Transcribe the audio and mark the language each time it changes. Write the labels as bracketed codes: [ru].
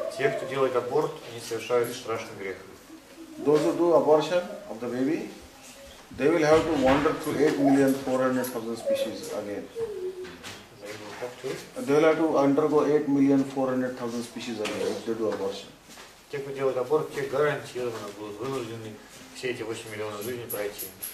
[ru] Те, кто делает аборт, они совершают страшный грех. [en] Those who do abortion of the baby, they will have to wander through 8,400,000 species again. They will have to undergo 8,400,000 species again if they do abortion. [ru] Те, кто делает аборт, те гарантированно будут вынуждены все эти 8 миллионов жизней пройти.